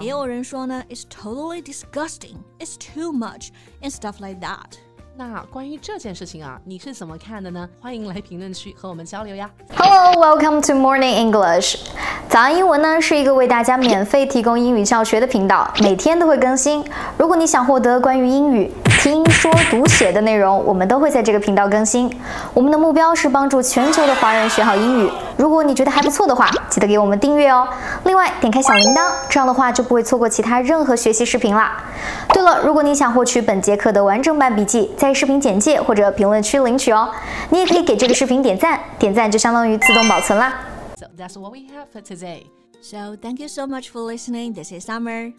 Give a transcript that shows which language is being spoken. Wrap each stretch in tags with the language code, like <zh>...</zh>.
<zh>也有人说呢</zh> <en>It's totally disgusting, it's too much, and stuff like that。</en> <zh>那关于这件事情啊，你是怎么看的呢？欢迎来评论区和我们交流呀。</zh> <en>Hello, welcome to Morning English。</en> <zh>早安英文呢是一个为大家免费提供英语教学的频道，每天都会更新。如果你想获得关于英语听说读写的内容，我们都会在这个频道更新。我们的目标是帮助全球的华人学好英语。如果你觉得还不错的话，记得给我们订阅哦。另外，点开小铃铛，这样的话就不会错过其他任何学习视频啦。对了，如果你想获取本节课的完整版笔记，在视频简介或者评论区领取哦。你也可以给这个视频点赞，点赞就相当于自动保存啦。</zh> <en>So that's what we have for today. So thank you so much for listening. This is Summer.</en>